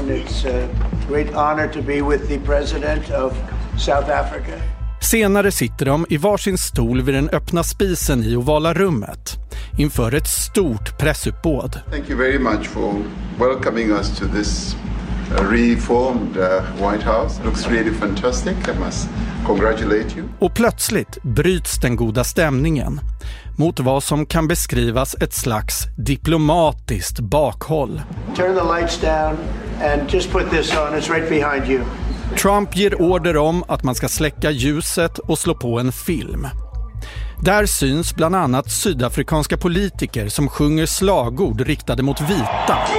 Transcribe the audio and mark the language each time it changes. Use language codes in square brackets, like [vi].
[en] It's a great honor to be with the president of South Africa. [sv] Senare sitter de i varsin stol vid den öppna spisen i ovala rummet inför ett stort pressuppbåd. [en] Thank you very much for welcoming us to this reformed White House. It looks really fantastic. I must congratulate you. [sv] Och plötsligt bryts den goda stämningen mot vad som kan beskrivas ett slags diplomatiskt bakhåll. [en] Turn the lights down and just put this on. It's right behind you. [sv] Trump ger order om att man ska släcka ljuset och slå på en film. Där syns bland annat sydafrikanska politiker som sjunger slagord riktade mot vita.